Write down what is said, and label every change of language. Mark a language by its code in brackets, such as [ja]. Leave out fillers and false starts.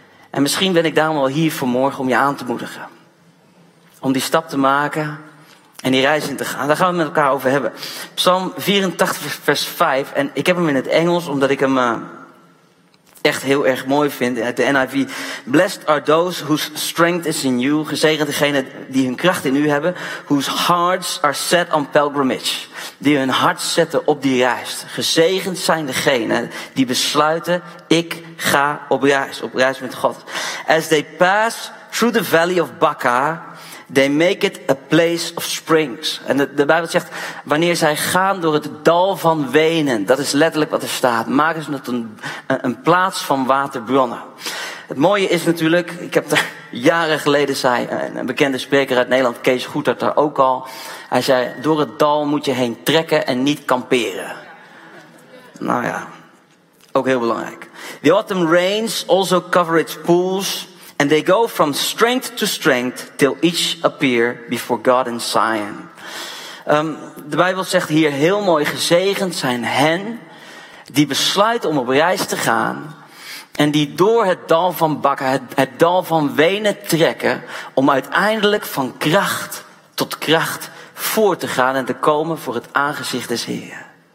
[nl] En misschien ben ik daarom wel hier vanmorgen om je aan te moedigen. Om die stap te maken en die reis in te gaan. Daar gaan we het met elkaar over hebben. Psalm 84 vers 5. En ik heb hem in het Engels omdat ik hem echt heel erg mooi vind. Uit de NIV. [en] Blessed are those whose strength is in you. [nl] Gezegend degene die hun kracht in u hebben. [en] Whose hearts are set on pilgrimage. [nl] Die hun hart zetten op die reis. Gezegend zijn degene die besluiten. Ik ga op reis. Op reis met God. [en] As they pass through the valley of Baca. They make it a place of springs. [nl] En de Bijbel zegt, wanneer zij gaan door het dal van wenen, dat is letterlijk wat er staat, maken ze het een plaats van waterbronnen. Het mooie is natuurlijk, ik heb er jaren geleden zei, een bekende spreker uit Nederland, Kees Goedert, daar ook al. Hij zei, door het dal moet je heen trekken en niet kamperen. Nou ja, ook heel belangrijk. [en] The autumn rains also cover its pools. And they go from strength to strength till each appear before God in Zion. [nl] De Bijbel zegt hier heel mooi, gezegend zijn hen die besluiten om op reis te gaan. En die door het dal van Baca, het dal van wenen trekken. Om uiteindelijk van kracht tot kracht voor te gaan en te komen voor het aangezicht des Heren.